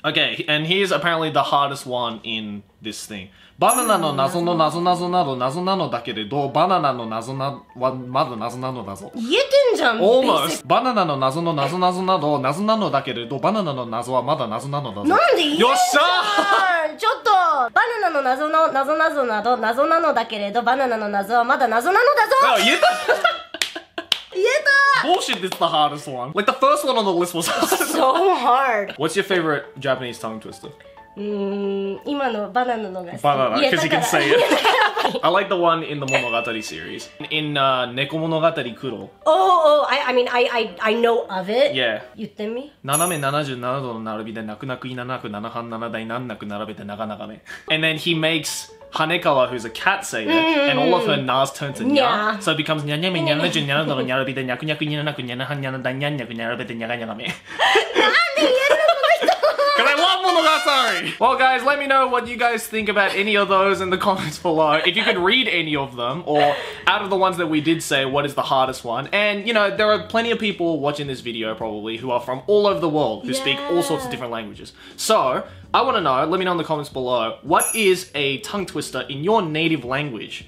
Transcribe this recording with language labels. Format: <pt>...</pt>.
<en>Okay, and he is apparently the hardest one in this thing</en> <ja>バナナの謎の謎謎など謎なのだけれどバナナの謎はまだ謎なのだぞ言えてんじゃん</ja> <en>Almost</en> <ja>バナナの謎の謎謎など謎なのだけれどバナナの謎はまだ謎なのだぞなんで言えんじゃんよっしゃちょっとバナナの謎の謎なぞなど謎なのだけれどバナナの謎はまだ謎なのだぞ言えた言えた</ja> <en>Bullshit is the hardest one Like the first one on the list was So hard What's your favorite Japanese tongue twister?</en> <ja>今のバナナのが好き。バナナ、</ja> <en>because you can say it. I like the one in the Monogatari series. In Neko Monogatari Kuro. I know of it. Yeah.</en> <ja>言ってみ。斜め77度の並びで泣く泣く言いななく七半七台難なく並べて長長め。</ja> <en>And then he makes Hanekawa, who's a cat sayer, and all of her nas turns to nya. So it becomes nya nya me nya nya nya nya nya nya nya nya nya nya nya nya nya nya nya nya nya nya nya nya nya nya nya nya nya nya nya nya nya Sorry. Well, guys, let me know what you guys think about any of those in the comments below. If you could read any of them, or out of the ones that we did say, what is the hardest one? And, you know, there are plenty of people watching this video probably who are from all over the world who speak all sorts of different languages. So, I want to know, let me know in the comments below, what is a tongue twister in your native language</en>